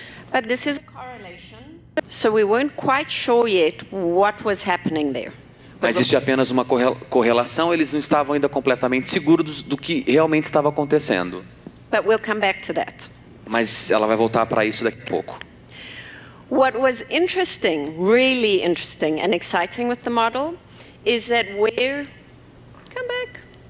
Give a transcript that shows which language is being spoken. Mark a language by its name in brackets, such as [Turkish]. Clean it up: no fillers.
[English] But this is a correlation, so we weren't quite sure yet what was happening there. [Portuguese] Mas isso é apenas uma correlação, eles não estavam ainda completamente seguros do que realmente estava acontecendo. [English] But we'll come back to that. [Portuguese] Mas ela vai voltar para isso daqui a pouco. [English] What was interesting, really interesting and exciting with the model is that where come back.